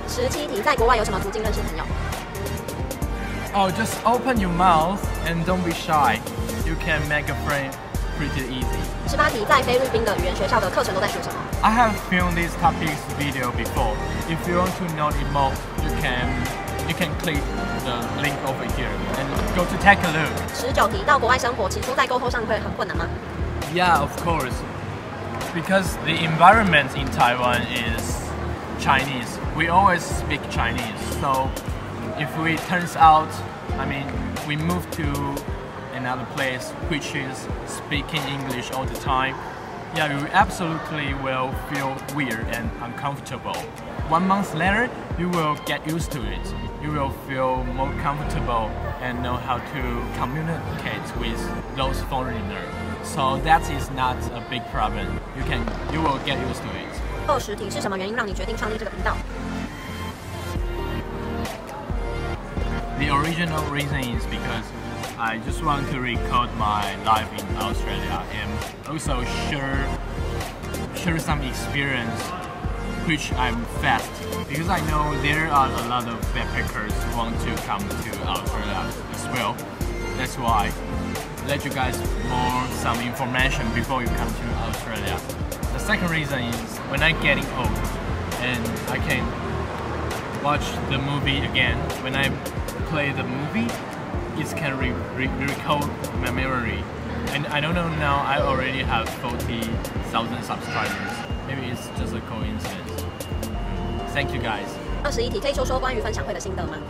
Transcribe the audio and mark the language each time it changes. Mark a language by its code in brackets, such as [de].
[zh] 17题，在国外有什么途径认识朋友？ [en] Oh, just open your mouth and don't be shy. You you can make a friend pretty easy. [zh] 十八题，在菲律宾的语言学校的课程都在学什么 [en] ？I have filmed this topic video before. If you want to know it more, you can click the link over here and go to take a look. [zh] 十九题，到国外生活，起初在沟通上会很困难吗 [en] ？Yeah, of course. Because the environment in Taiwan is Chinese. We always speak Chinese. So if it turns out, we move to another place which is speaking English all the time, yeah, you absolutely will feel weird and uncomfortable. 1 month later, you will get used to it. You will feel more comfortable and know how to communicate with those foreigners. So that is not a big problem. You will get used to it. [zh] 20题，是什么原因让你决定创立这个频道？ [en] The original reason is because I just want to record my life in Australia and also share some experience which I'm fast. Because I know there are a lot of backpackers who want to come to Australia as well. That's why I let you guys more some information before you come to Australia. The second reason is when I'm getting old and I can watch the movie again, when I play the movie,it can recall my memory. And I don't know now, I already have 40,000 subscribers. Maybe it's just a coincidence. Thank you guys. [zh] 21题，可以说说关于分享会的心得吗？